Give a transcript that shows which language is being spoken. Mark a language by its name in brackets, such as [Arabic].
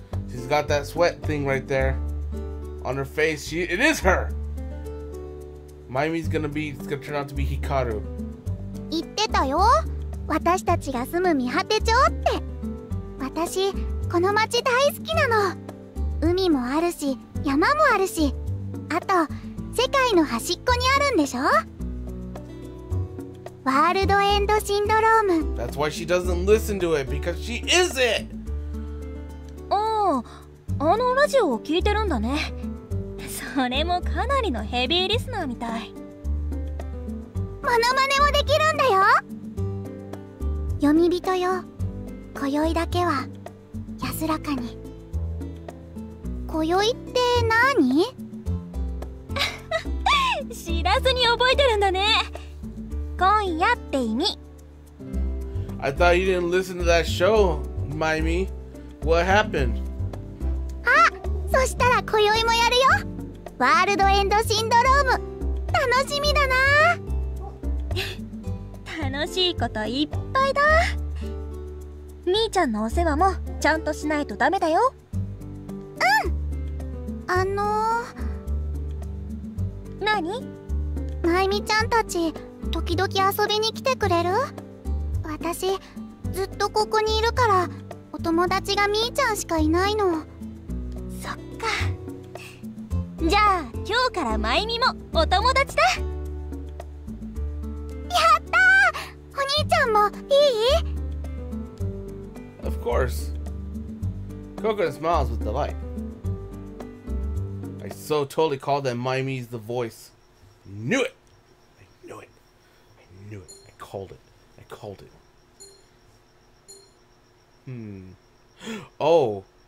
[English] She's got that sweat thing right there on her face. It is her! Maimi's gonna be, it's gonna turn out to be Hikaru. [Japanese] 言ってたよ。私たちが住む三果て町って。私、この町大好きなの。海もあるし、山もあるし。あと、世界の端っこにあるんでしょ？ワールドエンドシンドローム。 [English] That's why she doesn't listen to it, because she is it! [Japanese] ああ、あのラジオを聞いてるんだね。それもかなりのヘビーリスナーみたい。モノマネもできるんだよ。読み人よ、今宵だけは安らかに。今宵って何？知らずに覚えてるんだね。今夜って意味。 [English] I thought you didn't listen to that show, Maimi. What happened? [Japanese] あ、そしたら今宵もやるよ。ワールドエンドシンドローム、楽しみだな。楽しいこといっぱいだ。みーちゃんのお世話もちゃんとしないとダメだよ。うん。何？まゆみちゃんたち時々遊びに来てくれる？私ずっとここにいるからお友達がみーちゃんしかいないの。そっか。じゃあ、今日からマイミもお友達だ。やったー！お兄ちゃんもいい？ [English] Of course. Coconut smiles with delight. I so totally called that Maimi's the voice. Knew it! I knew it. I knew it. I called it. I called it. Oh.